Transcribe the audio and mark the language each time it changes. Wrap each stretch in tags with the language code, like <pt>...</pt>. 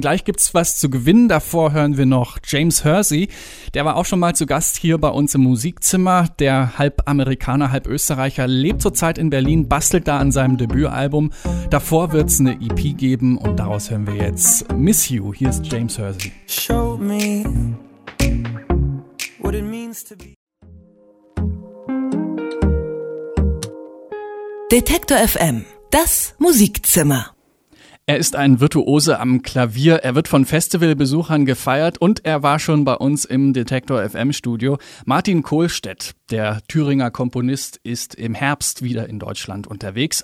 <de>Gleich gibt's was zu gewinnen. Davor hören wir noch James Hersey. Der war auch schon mal zu Gast hier bei uns im Musikzimmer. Der halb Amerikaner, halb Österreicher lebt zurzeit in Berlin, bastelt da an seinem Debütalbum. Davor wird's eine EP geben und daraus hören wir jetzt Miss You. Hier ist James Hersey.</de> <en>Show me what it means to be.</en> <de>Detektor FM, das Musikzimmer. Er ist ein Virtuose am Klavier, er wird von Festivalbesuchern gefeiert und er war schon bei uns im Detektor FM Studio. Martin Kohlstedt, der Thüringer Komponist, ist im Herbst wieder in Deutschland unterwegs.</de>